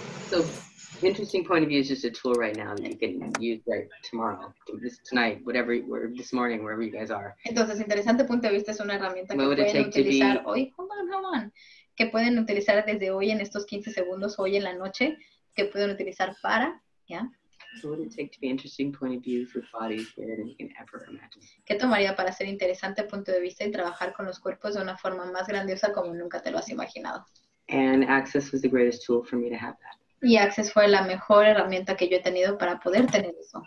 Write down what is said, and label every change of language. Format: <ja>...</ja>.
<en>So, interesting point of view is just a tool right now that you can use right tomorrow, this, tonight, whatever, or this morning, wherever you guys are.</en> <es>Entonces, interesante punto de vista es una herramienta que pueden utilizar hoy.</es> <en>Hold on.</en> <es>Que pueden utilizar desde hoy en estos 15 segundos, hoy en la noche, que pueden utilizar para, ¿ya? ¿Qué tomaría para ser interesante punto de vista y trabajar con los cuerpos de una forma más grandiosa como nunca te lo has imaginado?</es> <en>And Access was the greatest tool for me to have that.</en> <es>Y Access fue la mejor herramienta que yo he tenido para poder tener eso.</es>